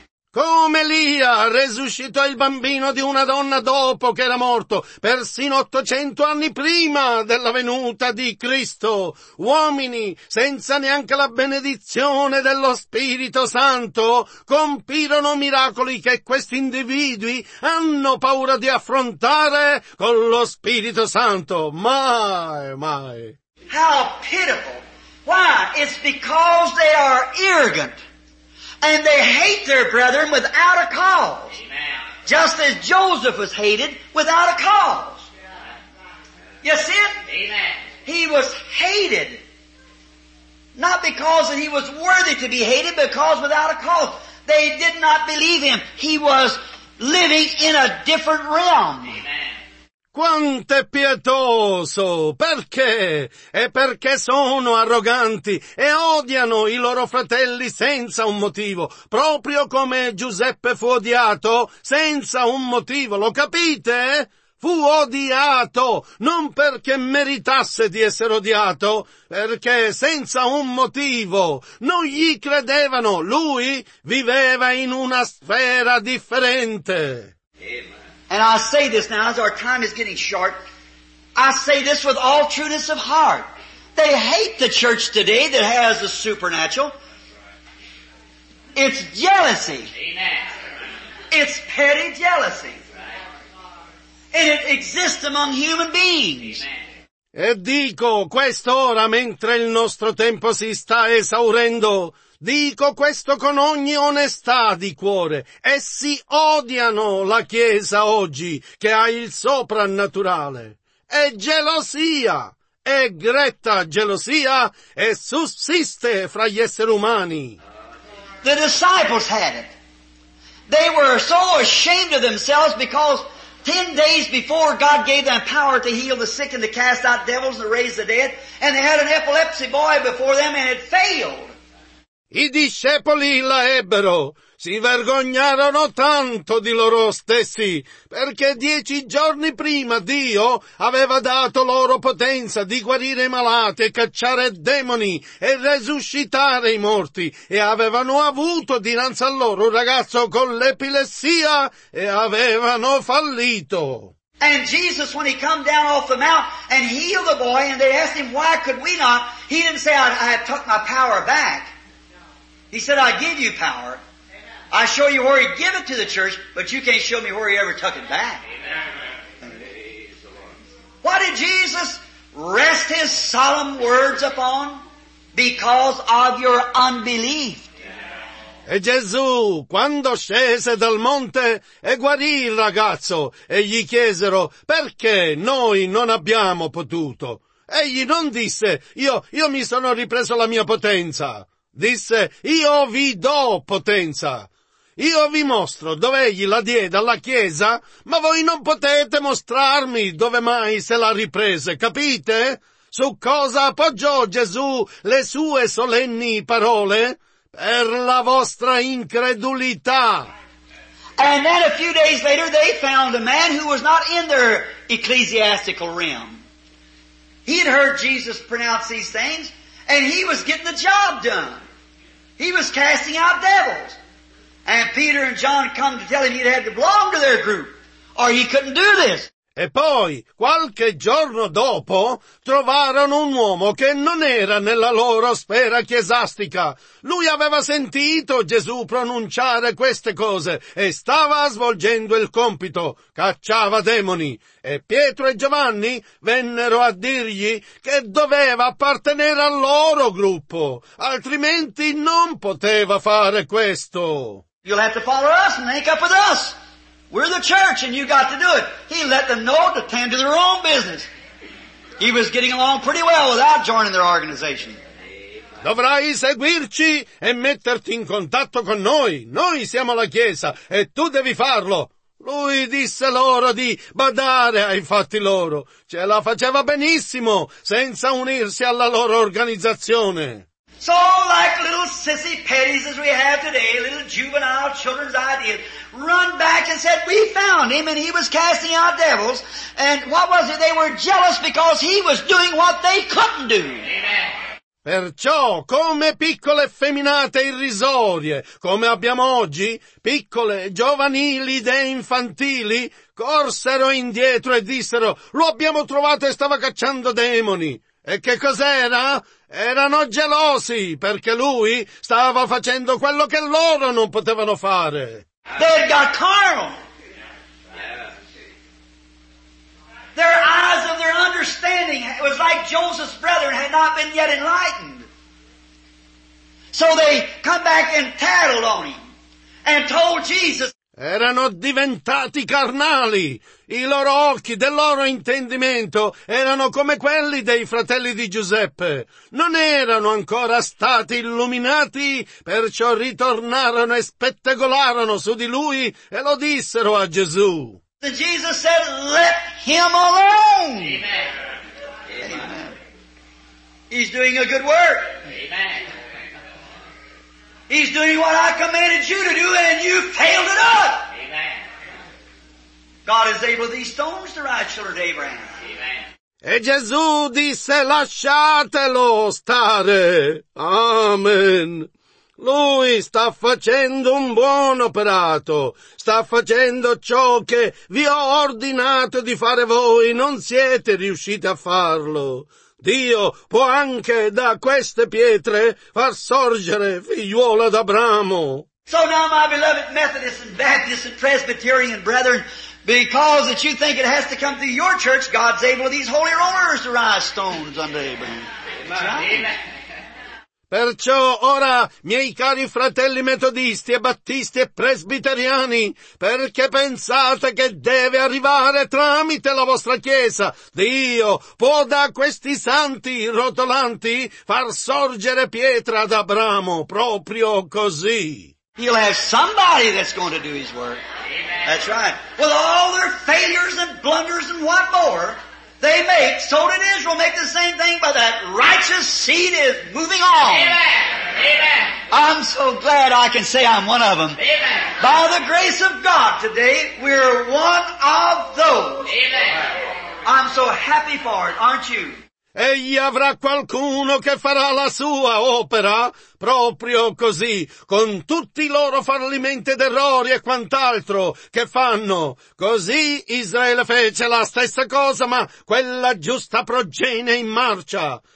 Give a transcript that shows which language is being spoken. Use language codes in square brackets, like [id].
[it] Come Elia resuscitò il bambino di una donna dopo che era morto, persino 800 anni prima della venuta di Cristo. Uomini, senza neanche la benedizione dello Spirito Santo, compirono miracoli che questi individui hanno paura di affrontare con lo Spirito Santo. Mai. [en] How pitiful. Why? It's because they are arrogant. And they hate their brethren without a cause. Amen. Just as Joseph was hated without a cause. You see it? Amen. He was hated. Not because he was worthy to be hated, but because without a cause. They did not believe him. He was living in a different realm. Amen. [it] Quanto è pietoso! Perché? È perché sono arroganti e odiano i loro fratelli senza un motivo, proprio come Giuseppe fu odiato senza un motivo, lo capite? Fu odiato, non perché meritasse di essere odiato, perché senza un motivo non gli credevano, lui viveva in una sfera differente. [en] And I say this now, as our time is getting short, I say this with all trueness of heart. They hate the church today that has the supernatural. It's jealousy. Amen. It's petty jealousy. And it exists among human beings. Amen. [it] E dico quest'ora, mentre il nostro tempo si sta esaurendo, dico questo con ogni onestà di cuore. Essi odiano la Chiesa oggi, che ha il soprannaturale. È gelosia, è gretta gelosia, e sussiste fra gli esseri umani. [en] The disciples had it. They were so ashamed of themselves because 10 days before God gave them power to heal the sick and to cast out devils and to raise the dead, and they had an epilepsy boy before them and it failed. [it] I discepoli la ebbero, si vergognarono tanto di loro stessi, perché 10 giorni prima Dio aveva dato loro potenza di guarire i malati e cacciare demoni e resuscitare i morti, e avevano avuto dinanzi a loro un ragazzo con l'epilessia e avevano fallito. [en] And Jesus, when he come down off the mount and healed the boy, and they asked him, why could we not? He didn't say, I have took my power back. He said, I give you power. I show you where he give it to the church, but you can't show me where he ever took it back. What did Jesus rest his solemn words upon? Because of your unbelief. [it] E Gesù, quando scese dal monte, e guarì il ragazzo, e gli chiesero, perché noi non abbiamo potuto? Egli non disse, io mi sono ripreso la mia potenza. Disse, io vi do potenza. Io vi mostro dove egli la diede alla Chiesa, ma voi non potete mostrarmi dove mai se la riprese, capite? Su cosa appoggiò Gesù le sue solenni parole? Per la vostra incredulità. [en] And then a few days later they found a man who was not in their ecclesiastical realm. He had heard Jesus pronounce these things, and he was getting the job done. He was casting out devils. And Peter and John come to tell him he had to belong to their group, or he couldn't do this. [it] E poi, qualche giorno dopo, trovarono un uomo che non era nella loro sfera chiesastica. Lui aveva sentito Gesù pronunciare queste cose e stava svolgendo il compito, cacciava demoni. E Pietro e Giovanni vennero a dirgli che doveva appartenere al loro gruppo, altrimenti non poteva fare questo. [en] You'll have to follow us and make up with us. We're the church and you got to do it. He let them know to tend to their own business. He was getting along pretty well without joining their organization. [it] Dovrai seguirci e metterti in contatto con noi. Noi siamo la Chiesa e tu devi farlo. Lui disse loro di badare ai fatti loro. Ce la faceva benissimo senza unirsi alla loro organizzazione. [en] So like little sissy petties as we have today, little juvenile children's ideas, run back and said, we found him and he was casting out devils. And what was it? They were jealous because he was doing what they couldn't do. Amen. [it] Perciò, come piccole effeminate irrisorie, come abbiamo oggi, piccole giovanili idee infantili, corsero indietro e dissero, lo abbiamo trovato e stava cacciando demoni. E che cos'era? Erano gelosi perché lui stava facendo quello che loro non potevano fare. [en] They got carnal. Their eyes of their understanding, it was like Joseph's brethren had not been yet enlightened. So they come back and tattled on him and told Jesus. [it] Erano diventati carnali. I loro occhi del loro intendimento erano come quelli dei fratelli di Giuseppe. Non erano ancora stati illuminati, perciò ritornarono e spettegolarono su di lui e lo dissero a Gesù. [en] And Jesus said, let him alone. Amen. Amen. He's doing a good work. Amen. He's doing what I commanded you to do, and you failed it up. Amen. God is able these stones to rise children of Abraham. Amen. [it] E Gesù disse, lasciatelo stare. Amen. Lui sta facendo un buon operato. Sta facendo ciò che vi ho ordinato di fare voi. Non siete riusciti a farlo. Dio può anche da queste pietre far sorgere figliuola d'Abramo. [en] So now my beloved Methodists and Baptists and Presbyterian brethren, because that you think it has to come through your church, God's able these holy rollers to rise stones unto Abraham. Amen. [it] Perciò ora, miei cari fratelli metodisti e battisti e presbiteriani, perché pensate che deve arrivare tramite la vostra chiesa, Dio può da questi santi rotolanti far sorgere pietra ad Abramo, proprio così. [en] He'll have somebody that's going to do his work. Amen. That's right. With all their failures and blunders and what more, they make, so did Israel make the same thing, but that righteous seed is moving on. Amen. Amen. I'm so glad I can say I'm one of them. Amen. By the grace of God today, we're one of those. Amen. I'm so happy for it, aren't you? [it] Egli avrà qualcuno che farà la sua opera, proprio così, con tutti i loro fallimenti ed errori e quant'altro che fanno. Così Israele fece la stessa cosa, ma quella giusta progenie in marcia.